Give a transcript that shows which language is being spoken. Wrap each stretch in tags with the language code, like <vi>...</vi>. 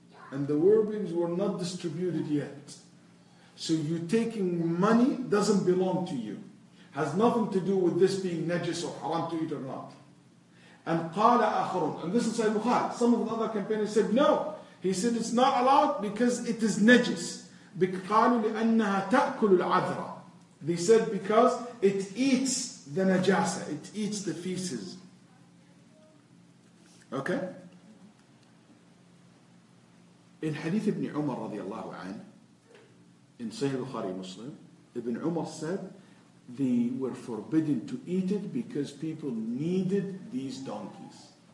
<en>And the war booties were not distributed yet. So you taking money doesn't belong to you. Has nothing to do with this being najis or haram to eat or not. And</en> <ar>قال آخرون,</ar> <en>and this is Sahih Bukhari. Some of the other companions said no. He said it's not allowed because it is najis.</en> <ar>قالوا لأنها تأكل العذرة.</ar> <en>They said because it eats the najasa, it eats the feces. Okay. In Hadith Ibn Umar رضي الله عنه, in Sahih Bukhari Muslim, Ibn Umar said, they were forbidden to eat it because people needed these donkeys.</en>